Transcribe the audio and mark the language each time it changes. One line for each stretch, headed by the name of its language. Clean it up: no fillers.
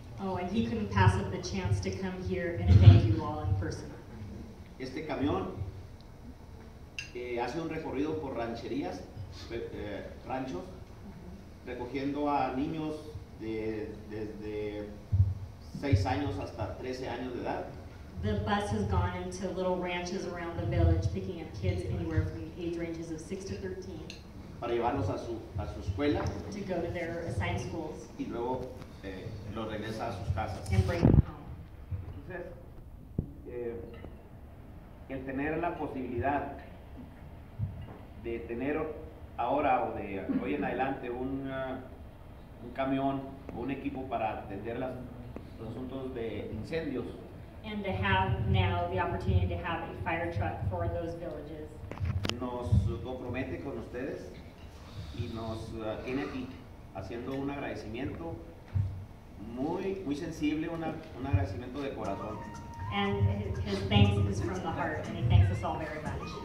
English: Oh, and he couldn't pass up the chance to come here and thank you all in person.
Spanish: Este camión hace un recorrido por rancherías, ranchos, recogiendo a niños desde 6 años hasta 13 años de edad.
English: The bus has gone into little ranches around the village, picking up kids anywhere from the age ranges of 6 to 13.
Spanish: Para llevarlos a su escuela.
English: To go to their assigned schools.
Spanish: Y luego los regresa a sus casas.
English: And bring them home.
Spanish: Entonces, el tener la posibilidad de tener ahora o de hoy en adelante un camión o un equipo para atender los asuntos de incendios.
English: And to have now the opportunity to have a fire truck for those villages.
Spanish: Nos compromete con ustedes y nos tiene aquí haciendo un agradecimiento muy, muy sensible, un agradecimiento de corazón.
English: And his thanks is from the heart, and he thanks us all very much.